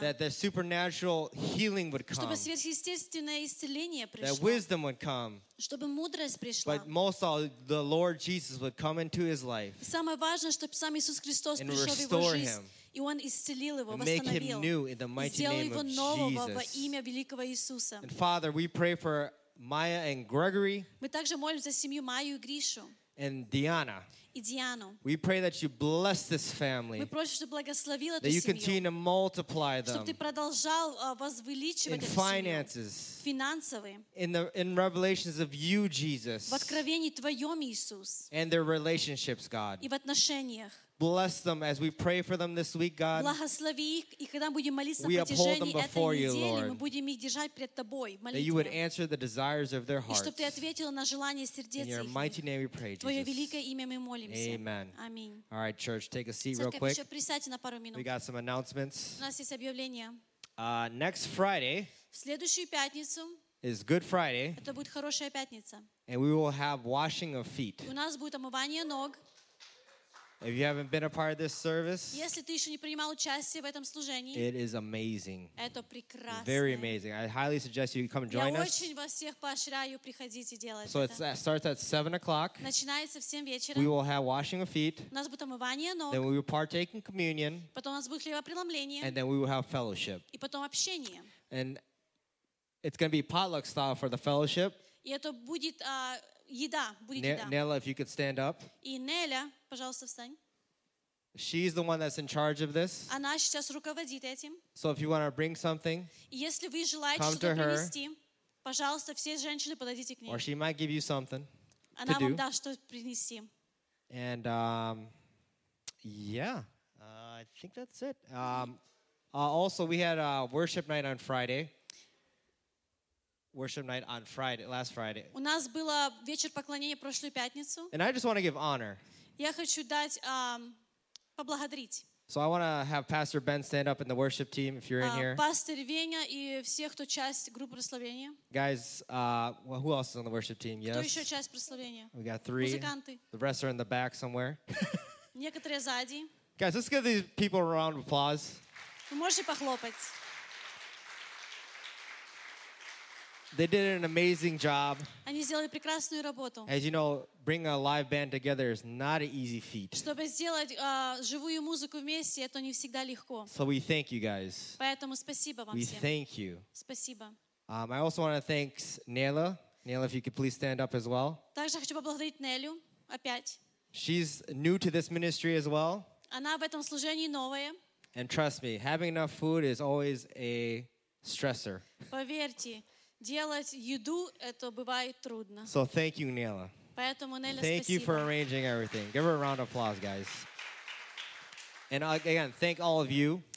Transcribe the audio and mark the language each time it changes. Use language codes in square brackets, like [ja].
[en] That the supernatural healing would come. [uk] Щоб сверхъестественное исцеление прийшло. [en] That wisdom would come. [uk] Щоб мудрість прийшла. [en] But most of all, the Lord Jesus would come into his life. [uk] Саме важливо, щоб сам Ісус Христос прийшов в його життя. [en] And restore him. [uk] І він ісцелив його, [ru] восстановив. [en] Make him new in the mighty name of Jesus. [uk] Його нового в ім'я великого Ісуса. [en] And Father, we pray for Maya and Gregory. [uk] Ми також молимося за сім'ю Майю і Грішу. [en] And Diana. [uk] І Діану. [en] We pray that you bless this family. [uk] Ми просимо, щоб благословила цю сім'ю. [en] That you continue to multiply them. [uk] Щоб ти продовжував возвеличивати цю сім'ю. [en] In finances. [uk] Фінансово. [en] In revelations of you, Jesus. [uk] В откровенні твоєму, Ісус. [en] And their relationships, God. [uk] І в отношеннях. [en] Bless them as we pray for them this week, God. [uk] Благослови їх, і коли ми будемо молитися на протязі цієї неділі, ми будемо їх держати перед тобою в молитві. [en] That you would answer the desires of their hearts. [uk] І щоб ти відповіла на бажання серця їх. [en] In your mighty name we pray, Jesus. [uk] Твоє велике ім'я ми молимося. [en] Amen. [uk] Амінь. [en] All right, church, take a seat real quick. [uk] Церкви, ще присядьте на пару хвилин. [en] We got some announcements. [uk] У нас є об'явлення. [en] Next Friday. [uk] В наступну п'ятницю. [en] Is Good Friday. [uk] Це буде хороша п'ятниця. [en] And we will have washing of feet. [uk] У нас буде омивання ніг. [en] If you haven't been a part of this service, [ru] если ты ещё не принимал участие в этом служении, [en] it is amazing. [ru] Это прекрасно. [en] Very amazing. I highly suggest you come join us. [ru] Я очень вас всех поощряю приходить и делать это. [en] So it starts at 7:00. [ru] Начинается в 7 вечера. [en] We will have washing of feet. [ru] У нас будет омывание ног. [en] Then we will partake in communion. [ru] Потом у нас будет хлебопреломление. [en] And then we will have fellowship. [ru] И потом общение. [en] And it's going to be potluck style for the fellowship. [ru] И это будет еда, будет еда. [en] Nella, if you could stand up. [ru] И Неля, пожалуйста, встань. [en] She's the one that's in charge of this. [ru] Она сейчас руководит этим. [en] So if you want to bring something, [ru] если вы желаете что-то принести, пожалуйста, все женщины подойдите к ней. [en] Or she might give you something to [ru] do. Она вам даст что принести. [en] And I think that's it. Also, we had a worship night on Friday. Worship night on Friday, last Friday. [uk] У нас було вечір поклонення прошлу п'ятницю. [en] And I just want to give honor. [uk] Я хочу дати поблагодарити. [en] So I want to have Pastor Ben stand up in the worship team if you're in here. [uk] Пастор Веня і всі, хто часть групи прославлення. [en] Guys, who else is on the worship team? Yes. [uk] Хто ще часть прославлення? [en] We got three. [uk] Музиканти. [en] The rest are in the back somewhere. [uk] Некоторі ззаді. [en] Guys, let's give these people a round of applause. [uk] Ви можете похлопати. [en] They did an amazing job. [ru] Они сделали прекрасную работу. [en] As you know, bringing a live band together is not an easy feat. [ru] Чтобы сделать живую музыку вместе, это не всегда легко. [en] So we thank you guys. [ru] Поэтому спасибо вам [en] we [ru] всем. [en] We thank you. [ru] Спасибо. [en] I also want to thank Nela. Nela, if you could please stand up as well. [ru] Также хочу поблагодарить Нелю опять. [en] She's new to this ministry as well. [ru] Она в этом служении новая. [en] And trust me, having enough food is always a stressor. [ru] Поверьте. Делать еду это бывает трудно. [en] So thank you, Nela. [ru] Поэтому Неля, спасибо. [en] Thank you for arranging everything. Give her a round of applause, guys. And again, thank all of you.